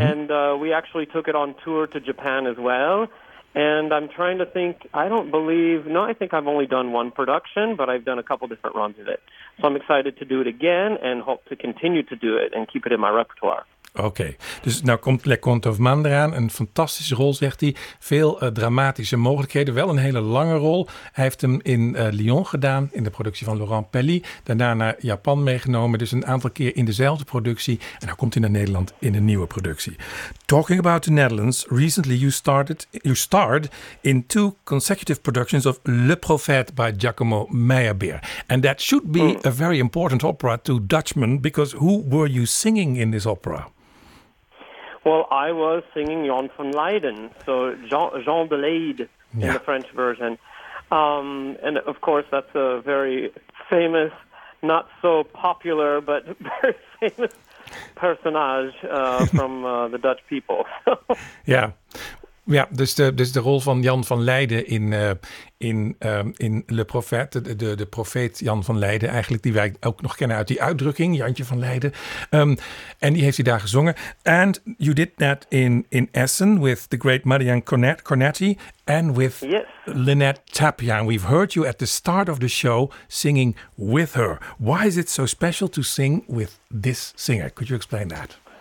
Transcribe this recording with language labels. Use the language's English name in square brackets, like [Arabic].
[English] And we actually took it on tour to Japan as well. And I'm trying to think, I think I've only done one production, but I've done a couple different runs of it. So I'm excited to do it again and hope to continue to do it and keep it in my repertoire. [Dutch] Oké, okay. Dus nou komt Les Contes d'Hoffmann eraan. Een fantastische rol, zegt hij. Veel dramatische mogelijkheden. Wel een hele lange rol. Hij heeft hem in Lyon gedaan, in de productie van Laurent Pelly. Daarna naar Japan meegenomen. Dus een aantal keer in dezelfde productie. En dan komt hij naar Nederland in een nieuwe productie. [English] Talking about the Netherlands. Recently you starred in two consecutive productions of Le Prophète by Giacomo Meyerbeer. And that should be a very important opera to Dutchmen. Because who were you singing in this opera? Well, I was singing Jan van Leyden, so Jean de Leyde in the French version. And, of course, that's a very famous, not so popular, but very famous personage from the Dutch people. Yeah. [Dutch] Ja, dus de rol van Jan van Leyden in Le Prophète, de profeet Jan van Leyden eigenlijk, die wij ook nog kennen uit die uitdrukking, Jantje van Leyden. En die heeft hij daar gezongen. [English] And you did that in Essen with the great Marianne Cornetti and with Lynette Tapia. And we've heard you at the start of the show singing with her. Why is it so special to sing with this singer? Could you explain that?